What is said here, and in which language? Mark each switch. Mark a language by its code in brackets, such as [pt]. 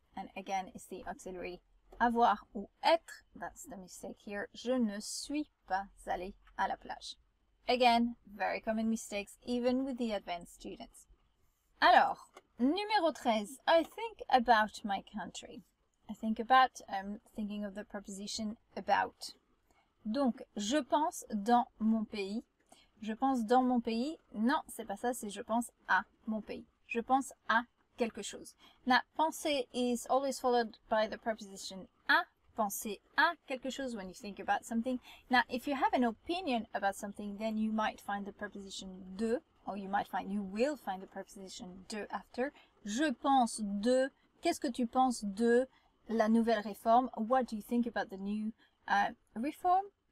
[en] And again, it's the auxiliary. Avoir ou être, that's the mistake here, [fr] je ne suis pas allé à la plage. [en] Again, very common mistakes, even with the advanced students. [fr] Alors, numéro 13, [en] I think about my country. I think about, I'm thinking of the preposition about. [fr] Donc, je pense dans mon pays. Je pense dans mon pays. Non, c'est pas ça, c'est je pense à mon pays. Je pense à quelque chose. [en] Now, penser is always followed by the preposition à. [fr] Penser à quelque chose [en] when you think about something. Now, if you have an opinion about something, then you might find the preposition de, or you will find the preposition de after. [fr] Je pense de. Qu'est-ce que tu penses de la nouvelle réforme? [en] What do you think about the new reform?